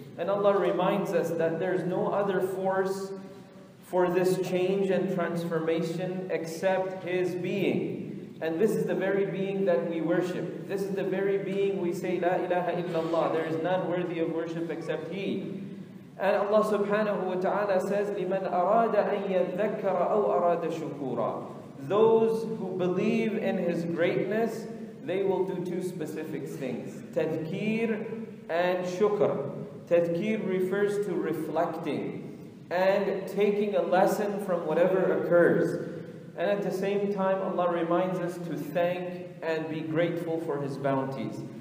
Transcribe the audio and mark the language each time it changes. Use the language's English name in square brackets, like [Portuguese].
[English] And Allah reminds us that there's no other force for this change and transformation except His being. And this is the very being that we worship. This is the very being we say, La ilaha illallah. There is none worthy of worship except He. And Allah subhanahu wa ta'ala says, [Arabic] لِمَنْ أَرَادَ أَن يَذَّكَّرَ أَوْ أَرَادَ شُكُورًا. [English] Those who believe in His greatness, they will do two specific things, tadhkir and shukr. Tadhkir refers to reflecting and taking a lesson from whatever occurs. And at the same time, Allah reminds us to thank and be grateful for His bounties.